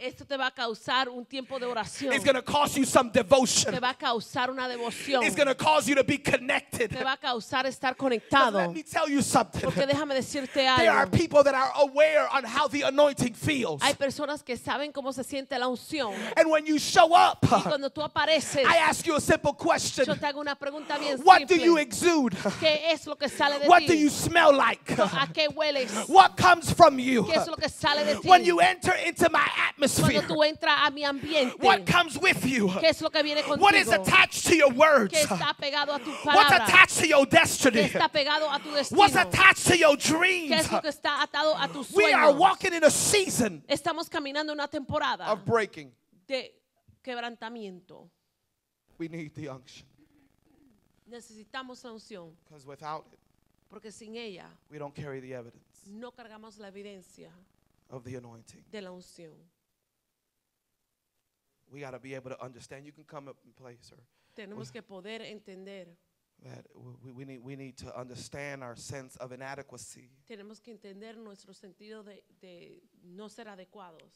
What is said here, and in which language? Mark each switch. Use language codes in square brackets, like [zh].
[es] Esto te va a causar un tiempo de oración. [en] It's going to cost you some devotion. [es] Te va a causar una devoción. [en] It's going to cause you to be connected. [es] Te va a causar estar conectado. [en] Let me tell you something. [es] Porque déjame decirte algo. [en] There are people that are aware on how the anointing feels. [es] Hay personas que saben cómo se siente la unción. [en] And when you show up, [es] y cuando tú apareces, [en] I ask you a simple question. [es] Yo te hago una pregunta bien simple. [en] What do you exude? [es] ¿Qué es lo que sale de ti? [en] What do you smell like? What comes from you when you enter into my atmosphere? What comes with you? What is attached to your words? What's attached to your destiny? What's attached to your dreams? We are walking in a season of breaking. We need the unction. Because without it, [es] porque sin ella, [en] we don't carry the evidence, [es] no cargamos la evidencia [en] of the anointing, [es] de la unción. [en] We got to be able to understand. You can come up and play, sir. [es] Tenemos que poder entender [en] that we need to understand our sense of inadequacy. [es] Tenemos que entender nuestro sentido de no ser adecuados.